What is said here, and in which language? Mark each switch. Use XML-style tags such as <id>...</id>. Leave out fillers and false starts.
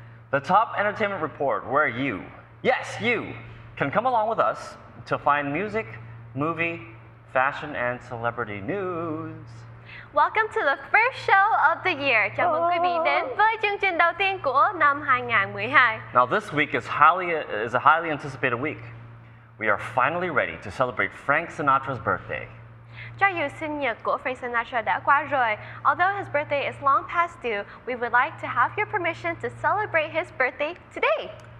<en>The Top Entertainment Report, where you, yes, you, can come along with us to find music, movie, fashion, and celebrity news. Welcome to the first show of the year.</en> <vi>Chào mừng quý vị đến với chương trình đầu tiên của năm 2012.</vi> <en>Now, this week is a highly anticipated week. We are finally ready to celebrate Frank Sinatra's birthday.</en> <vi>Cho dù sinh nhật của Frank Sinatra đã qua rồi,</vi> <en>although his birthday is long past due, we would like to have your permission to celebrate his birthday today.</en>